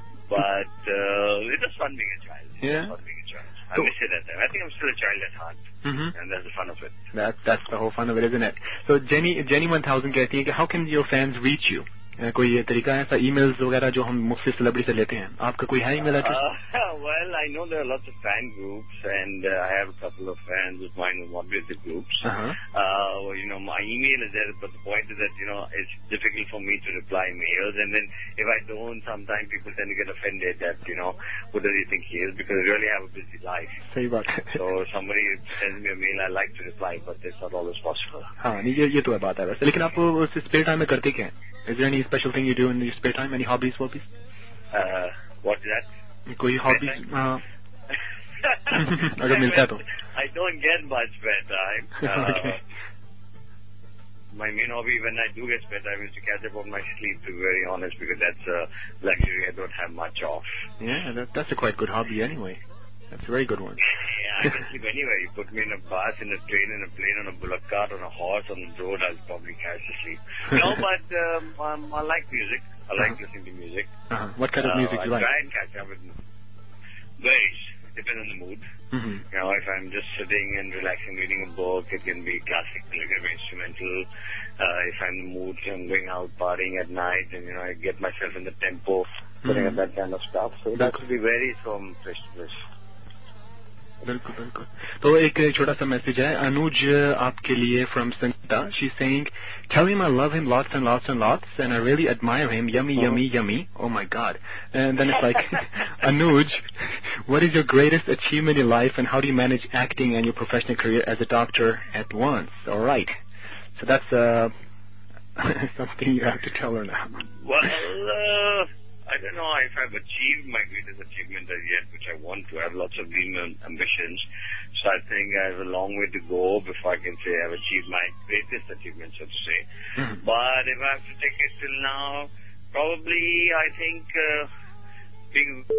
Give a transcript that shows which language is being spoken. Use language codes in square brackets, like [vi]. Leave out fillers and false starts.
[en] But it was fun being a child. Yeah. I miss it at that. I think I'm still a child at heart. Mm-hmm. And that's the fun of it. That's the whole fun of it, isn't it? So Jenny 1000, [hi] कहती है कि [en] how can your fans reach you? [hi] कोई तरीका है emails वगैरह जो हम मुख्य celebrity से लेते हैं? आपका कोई है email address? [en] Well, I know there are lots of fan groups, and I have a couple of fans of mine who work with the groups. You know, my email is there, but the point is that, you know, it's difficult for me to reply emails, and then if I don't, sometimes people tend to get offended that, you know, who does he think he is, because I really have a busy life. [hi] सही बात है. [en] So somebody sends me a mail, I like to reply, but it's not always possible. [hi] हाँ, नहीं, ये तो है बात है वैसे. लेकिन आप उसे spare time में करते क्या? [en] Is there any special thing you do in your spare time? Any hobbies, hobbies? What is that? Any hobbies? [hi] अगर मिलता है तो. [en] I don't get much spare time. Okay. My main hobby when I do get spare time is to catch up on my sleep, to be very honest, because that's a luxury I don't have much of. Yeah, that's a quite good hobby anyway. That's a very good one. Yeah, I can sleep anywhere. You put me in a bus, in a train, in a plane, on a bullock cart, on a horse, on the road, I'll probably catch to sleep. No, but I like music. I like listening to music. What kind of music do you like? I try and catch up with varies. Depends on the mood. Mm-hmm. You know, if I'm just sitting and relaxing, reading a book, it can be classic, like instrumental. If I'm in the mood, I'm going out partying at night, and, you know, I get myself in the tempo, putting up that kind of stuff. So that could be varies from place to place. [hi] बिल्कुल बिल्कुल. तो एक छोटा सा message है अनुज आपके लिए from Sangeeta. [en] She saying tell him I love him lots and lots and lots and I really admire him yummy yummy yummy oh my god. And then it's like Anuj what is your greatest achievement in life and how do you manage acting and your professional career as a doctor at once. Alright, so that's something you have to tell her now. Well, I don't know if I've achieved my greatest achievement as yet, which I want to. I have lots of dreams and ambitions. So I think I have a long way to go before I can say I've achieved my greatest achievement, so to say. Mm-hmm. But if I have to take it till now, probably I think being...